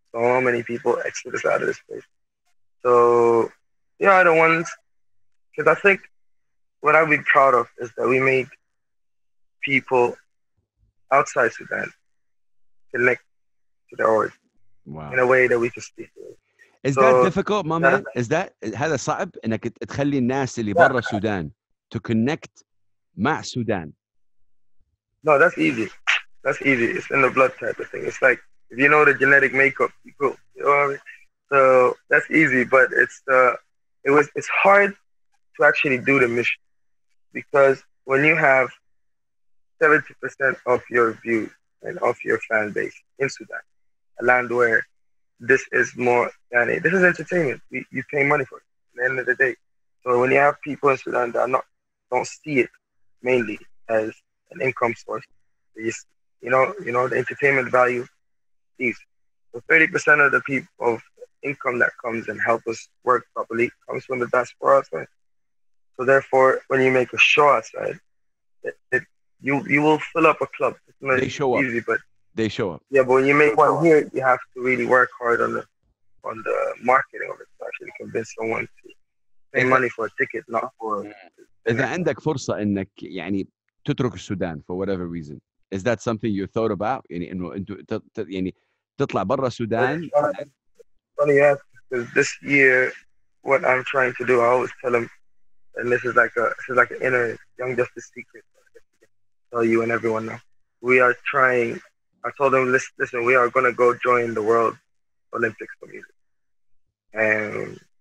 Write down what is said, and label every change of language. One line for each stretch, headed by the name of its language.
English: So many people exited out of this place. So, you know, the ones, because I think what I'd be proud of is that we made people outside Sudan connect to their origin in a way that we can speak to. Is so, that difficult, my man? Is that,
Arabic: هذا صعب انك تخلي الناس اللي برا السودان
English: to connect
Arabic: مع Sudan?
English: No, that's easy. That's easy. It's in the blood type of thing. It's like, if you know the genetic makeup, you're cool. You know what I mean? So that's easy, but it's hard to actually do the mission because when you have 70% of your view and of your fan base in Sudan, a land where this is more than it, this is entertainment. You pay money for it at the end of the day. So when you have people in Sudan that don't see it mainly as an income source, you know, the entertainment value is so 30% of the people of income that comes and help us work properly comes from the diaspora outside. So therefore, when you make a show outside, you will fill up a club. It's not easy, but they show up. Yeah, but when you make one here, you have to really work hard on the marketing of it to actually convince someone to pay money for a ticket, not for. If you
Arabic: عندك فرصة إنك يعني تترك السودان
English: for whatever reason. Is that something you thought about?
Arabic: يعني إنه أنتو يعني تطلع برا السودان.
English: Funny, yes. Because this year, what I'm trying to do, I always tell them, and this is like an inner Young Justice secret. Tell you and everyone now. We are trying. I told them, listen, we are gonna go join the World Olympics for music. And